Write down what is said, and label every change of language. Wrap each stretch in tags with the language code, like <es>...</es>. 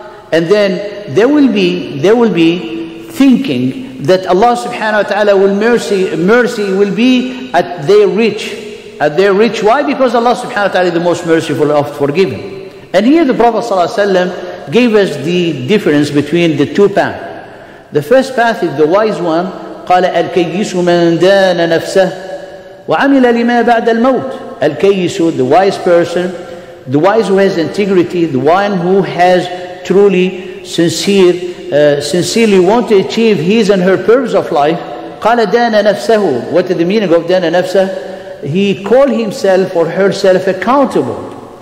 <en>And then they will be thinking that Allah subhanahu wa ta'ala will mercy will be at their reach. At their reach, why? Because Allah subhanahu wa ta'ala is the most merciful of forgiving. And here the Prophet sallallahu alaihi wasallam gave us the difference between the two paths. The first path is the wise one.</en> <ar>قال الكيس من دان نفسه وعمل لما بعد الموت.</ar> <en>الكيس, the wise person, the wise who has integrity, the one who has truly sincerely want to achieve his and her purpose of life.</en> <ar>قال دان نفسه.</ar> <en>What is the meaning of</en> <ar>دان نفسه?</ar> <en>He called himself or herself accountable.</en>